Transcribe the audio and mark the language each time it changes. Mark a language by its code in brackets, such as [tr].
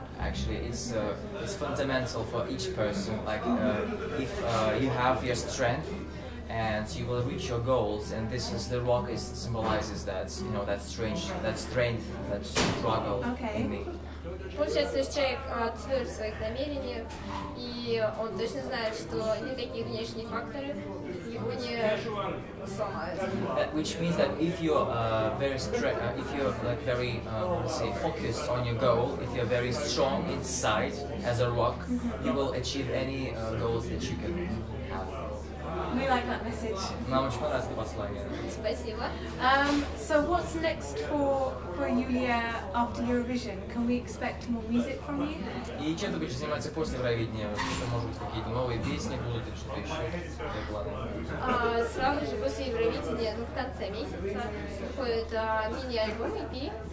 [en] Actually, it's fundamental for each person. Like if you have your strength, and you will reach your goals, and this is the rock, it symbolizes that, you know, that strength, that struggle okay. in me. [ru] получается, человек твёрд в своих намерениях, и он точно знает, что никакие внешние факторы его не сломают. [en] Which means that if you're very if you're like very say focused on your goal, if you're very strong inside as a rock, you will achieve any goals that you can have. We like that message. [ru] Нам очень понравилось это послание. Спасибо. [en] So what's next for Yulia after Eurovision? Can we expect more music from you? [ru] И чем ты будешь заниматься после Евровидения? Что, может быть, какие-то новые песни будут или что-то еще? Сразу же после Евровидения, в конце месяца, выходит мини-альбом EP.